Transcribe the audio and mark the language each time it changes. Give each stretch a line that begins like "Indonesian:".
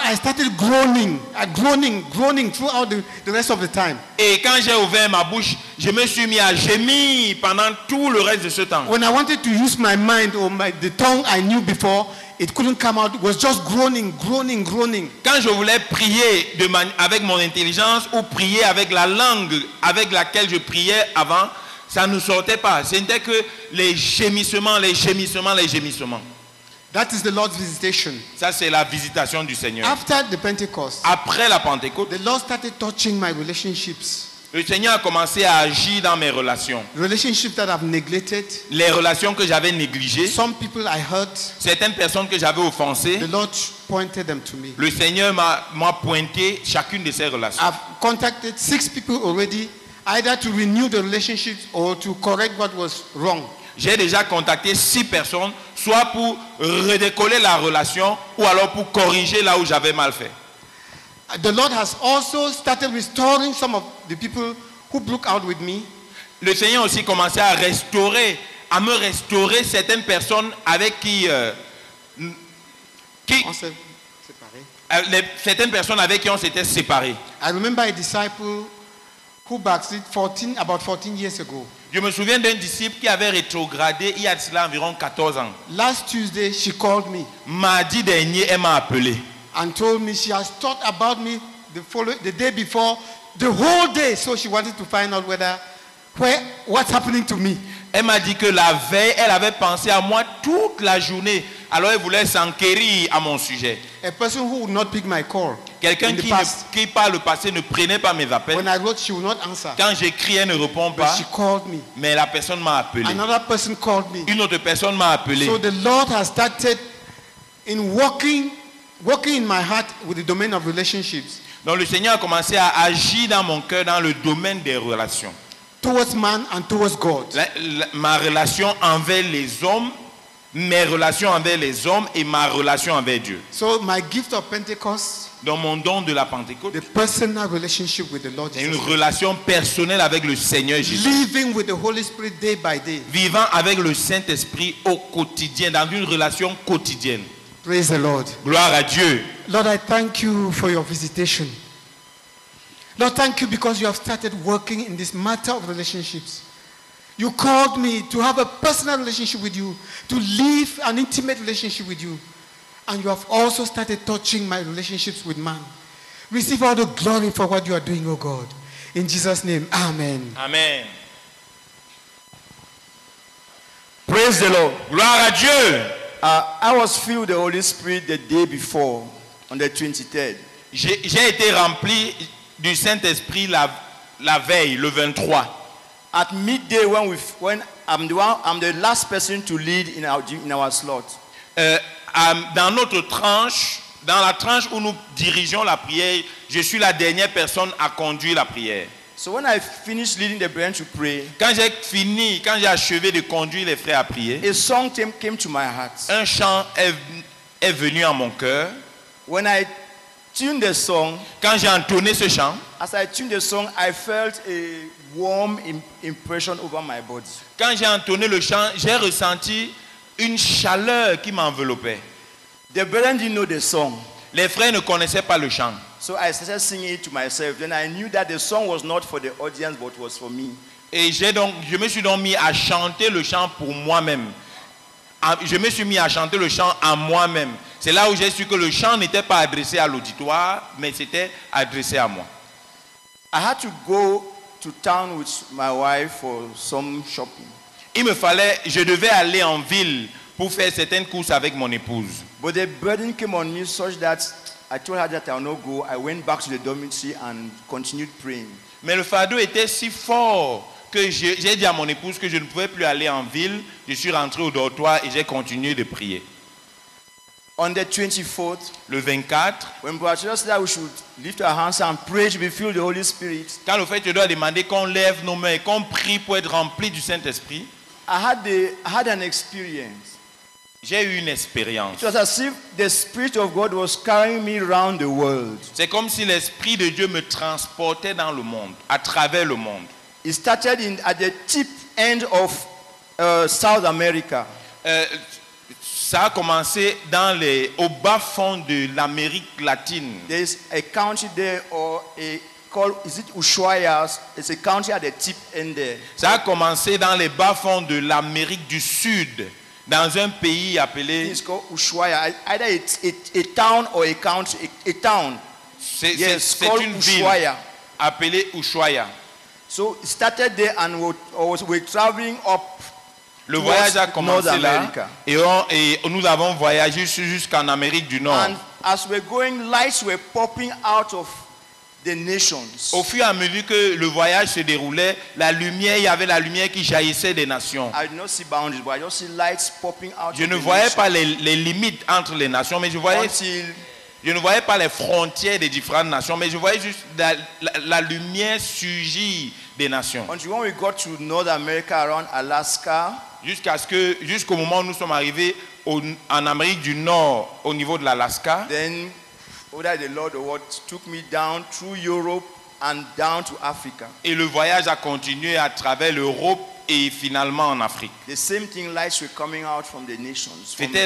English: I started groaning, groaning throughout the rest of the time.
French: Et quand j'ai ouvert ma bouche, je me suis mis à gémir pendant tout le reste de ce temps.
English: When I wanted to use my mind or the tongue I knew before. It couldn't come out. It was just groaning, groaning, groaning.
French: Quand je voulais prier avec mon intelligence ou prier avec la langue avec laquelle je priais avant, ça ne sortait pas. Ce n'était que les gémissements, les gémissements, les gémissements.
English: That is the Lord's visitation.
French: Ça c'est la visitation du Seigneur.
English: After the Pentecost.
French: Après la Pentecôte.
English: The Lord started touching my relationships.
French: Le Seigneur a commencé à agir dans mes relations.
English: Relationships that I've neglected.
French: Les relations que j'avais négligées.
English: Some people I hurt.
French: Certaines personnes que j'avais offensées.
English: The Lord pointed them to me.
French: Le Seigneur m'a pointé chacune de ces relations.
English: I've contacted 6 people already, either to renew the relationship or to correct what was wrong.
French: J'ai déjà contacté 6 personnes, soit pour redécoller la relation ou alors pour corriger là où j'avais mal fait.
English: The Lord has also started restoring some of the people who broke out with me.
French: Le Seigneur aussi commencé à restaurer, à me restaurer certaines personnes avec qui on s'est séparé. Certaines personnes avec qui on s'était séparé.
English: I remember a disciple who backslid about 14 years ago.
French: Je me souviens d'un disciple qui avait rétrogradé il y a cela environ 14 ans.
English: Last Tuesday she called me.
French: Mardi dernier elle m'a appelé.
English: And told me she has thought about me the day before, the whole day. So she wanted to find out what's happening to me.
French: Elle m'a dit que la veille, elle avait pensé à moi toute la journée. Alors elle voulait s'enquérir à mon sujet.
English: A person who would not pick my call.
French: Quelqu'un qui ne crie pas le passé ne prenait pas mes appels.
English: When I wrote, she will not answer.
French: Quand j'écris, elle ne répond
English: But
French: pas.
English: She called me.
French: Mais la personne m'a appelé.
English: Another person called me.
French: Une autre personne m'a appelé.
English: So the Lord has started in working in my heart with the domain of relationships.
French: Donc le Seigneur a commencé à agir dans mon cœur dans le domaine des relations.
English: Towards man and towards God.
French: Ma relation envers les hommes. Mes relations avec les hommes et ma relation avec Dieu.
English: So my gift of Pentecost,
French: dans mon don de la Pentecôte,
English: the personal relationship with the Lord Jesus,
French: une relation personnelle avec le Seigneur Jésus.
English: Living with the Holy Spirit day by day.
French: Vivant avec le Saint-Esprit au quotidien, dans une relation quotidienne.
English: Praise the Lord.
French: Gloire à Dieu.
English: Lord, I thank you for your visitation. Lord, thank you because you have started working in this matter of relationships. You called me to have a personal relationship with you, to live an intimate relationship with you. And you have also started touching my relationships with man. Receive all the glory for what you are doing, O God. In Jesus' name, amen. Amen. Praise the Lord.
French: Gloire à Dieu.
English: I was filled with the Holy Spirit the day before, on the 23rd.
French: J'ai été rempli du Saint-Esprit la veille, le 23.
English: At midday, when I'm the last person to lead in our slot.
French: Dans notre tranche, dans la tranche où nous dirigeons la prière, je suis la dernière personne à conduire la prière.
English: So when I finished leading the brethren to pray,
French: quand j'ai achevé de conduire les frères à prier,
English: a song came to my heart.
French: Un chant est venu à mon cœur.
English: When I tuned the song,
French: quand j'ai entonné ce chant,
English: as I tuned the song, I felt a warm impression over my body.
French: Quand j'ai entonné le chant, j'ai ressenti une chaleur qui m'enveloppait.
English: The brethren didn't know the song.
French: Les frères ne connaissaient pas le chant.
English: So I started singing it to myself. Then I knew that the song was not for the audience, but was for me.
French: Et je me suis donc mis à chanter le chant pour moi-même. Je me suis mis à chanter le chant à moi-même. C'est là où j'ai su que le chant n'était pas adressé à l'auditoire, mais c'était adressé à moi.
English: I had to go to town with my wife for some shopping.
French: Je devais aller en ville pour faire certaines courses avec mon épouse.
English: But the burden came on me such that I told her that I will not go. I went back to the dormitory and continued praying.
French: Mais le fardeau était si fort que j'ai dit à mon épouse que je ne pouvais plus aller en ville. Je suis rentré au dortoir et j'ai continué de prier.
English: On the 24th,
French: le 24,
English: when Brother Chester said that we should lift our hands and pray to be filled with the Holy Spirit,
French: quand le fait, je dois demander qu'on lève nos mains et qu'on prie pour être rempli du Saint-Esprit,
English: I had an experience.
French: J'ai eu une expérience.
English: It was as if the Spirit of God was carrying me around the world.
French: C'est comme si l'Esprit de Dieu me transportait dans le monde, à travers le monde.
English: It started at the tip end of South America.
French: Ça a commencé au bas fond de l'Amérique latine.
English: There is a county there, is it Ushuaia? It's a county at the tip end there.
French: Ça a commencé dans les bas fonds de l'Amérique du Sud, dans un pays appelé.
English: It's called Ushuaia. Either it's a town or a county. A town.
French: C'est une ville appelée Ushuaia.
English: So it started there, and we're traveling up.
French: Le voyage a commencé là et nous avons voyagé jusqu'en Amérique du Nord.
English: And as we're going, lights were popping out of the nations.
French: Au fur et à mesure que le voyage se déroulait, la lumière, il y avait la lumière qui jaillissait des nations.
English: I did not see boundaries, but I just see lights popping out.
French: Je ne voyais pas les limites entre les nations, mais je ne voyais pas les frontières des différentes nations, mais je voyais juste la lumière surgir des nations.
English: Until when we got to North America around Alaska,
French: jusqu'au moment où nous sommes arrivés en Amérique du Nord, au niveau de l'Alaska,
English: then order the Lord what took me down through Europe and down to Africa.
French: Et le voyage a continué à travers l'Europe et finalement en Afrique.
English: The same thing, lights were coming out from the nations.